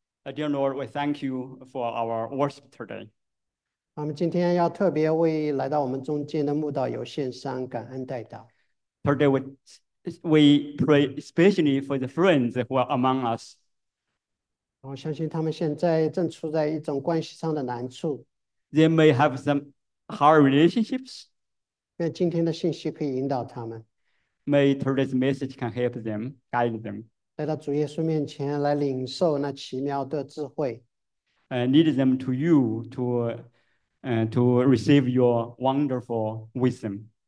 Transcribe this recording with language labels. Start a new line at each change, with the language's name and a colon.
English: Dear Lord, we thank you for our worship today.
Chinese: 我们今天要特别为来到我们中间的慕道友献上感恩代祷。
English: Today we pray especially for the friends who are among us.
Chinese: 我相信他们现在正处在一种关系上的难处。
English: They may have some hard relationships.
Chinese: 愿今天的信息可以引导他们。
English: May today's message can help them, guide them.
Chinese: 来到主耶稣面前来领受那奇妙的智慧。
English: Lead them to you to receive your wonderful wisdom.